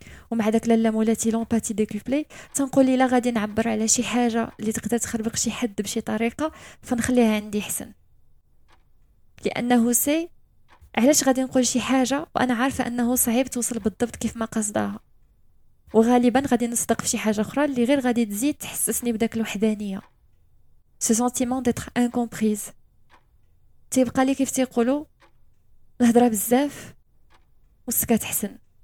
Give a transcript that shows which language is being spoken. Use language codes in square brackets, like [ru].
[ar] ومع داك لالا مولاتي لومباتي ديكوبلي تنقول لي لا غادي نعبر على شي حاجة اللي تقدر تخربق شي حد بشي طريقة فنخليها عندي حسن. لأنه سي علاش غادي نقول شي حاجة وأنا عارفة أنه صعيب توصل بالضبط كيف ما قصدها، وغالبا غادي نصدق في شي حاجة أخرى اللي غير غادي تزيد تحسسني بداك الوحدانية. [fr] Ce sentiment d'être incomprise. [ar] تيبقى لي كيف تيقولوا الهضره بزاف والسكات حسن.